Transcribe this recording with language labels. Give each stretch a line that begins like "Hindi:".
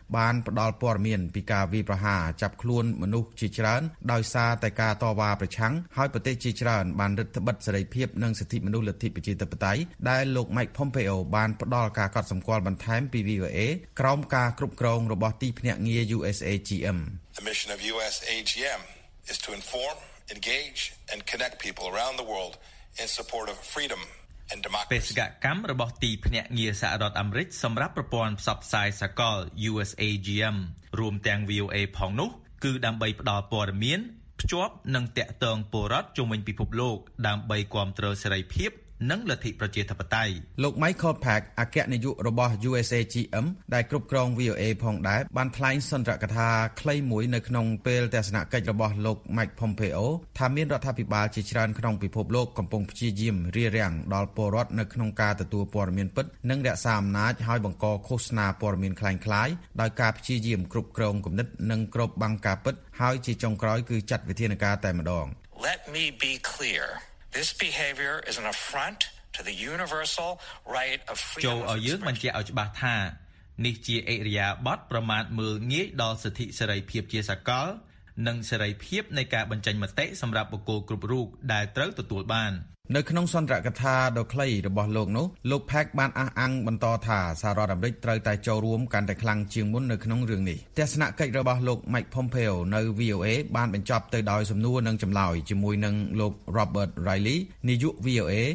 Khmer: បានផ្ដល់ព័ត៌មានពីការវាយប្រហារចាប់ខ្លួនមនុស្សជាច្រើនដោយសារតែការតវ៉ាប្រឆាំងហើយប្រទេសជាច្រើនបានរឹតត្បិតសេរីភាពនិងសិទ្ធិមនុស្សលទ្ធិជាតបតៃដែលលោក Mike Pompeo បានផ្ដល់ការកត់សម្គាល់បន្ថែមពី VOA ក្រោមការគ្រប់គ្រងរបស់ទីភ្នាក់ងារ USAGM
English: The mission of USAGM is to inform, engage and connect people around the world in support of freedom and democracy
Khmer: បេសកកម្មរបស់ទីភ្នាក់ងារសហរដ្ឋអាមេរិកសម្រាប់ប្រព័ន្ធផ្សព្វផ្សាយសកល USAGM រួមទាំង VOA ផងនោះគឺដើម្បីផ្ដល់ព័ត៌មានភ្ជាប់និងតាក់ទងពលរដ្ឋជុំវិញពិភពលោកដើម្បីគាំទ្រសេរីភាព និងលទ្ធិប្រជាធិបតេយ្យ លោក Michael Pack អគ្គនាយករបស់ USAGM ដែលគ្រប់គ្រង VOA ផងដែរបានថ្លែងសន្ទរកថាខ្លីមួយនៅក្នុងពេលទស្សនកិច្ចរបស់លោក Mike Pompeo ថាមានរដ្ឋាភិបាលជាច្រើនក្នុងពិភពលោកកំពុងព្យាយាមរារាំងដល់ពលរដ្ឋនៅក្នុងការទទួលព័ត៌មានពិតនិងរក្សាអំណាចឲ្យបង្កឃោសនាព័ត៌មានក្លែងក្លាយដោយការព្យាយាមគ្រប់គ្រងគំនិតនិងគ្របបាំងការពិតហើយជាចុងក្រោយគឺចាត់វិធានការតែម្ដង
English: Let me be clear. This behavior is an affront to the universal right of freedom.
Khmer: ចូលឲ្យយើងបញ្ជាក់ឲ្យច្បាស់ថានេះជាអេរីយ៉ាបត់ប្រមាថមើលងាយដល់សិទ្ធិសេរីភាពជាសកលនិងសេរីភាពនៃការបញ្ចេញមតិសម្រាប់បុគ្គលគ្រប់រូបដែលត្រូវទទួលបាននៅក្នុងសន្ទរកថាដ៏ខ្លីរបស់លោកនោះលោក Pack បានអះអាងបន្តថាសហរដ្ឋអាមេរិកត្រូវតែចូលរួមកាន់តែខ្លាំងជាងមុននៅក្នុងរឿងនេះទស្សនកិច្ចរបស់លោក Mike Pompeo នៅ VOA បានបញ្ចប់ទៅដោយសំណួរនិងចម្លើយជាមួយនឹងលោក Robert Riley នាយក VOA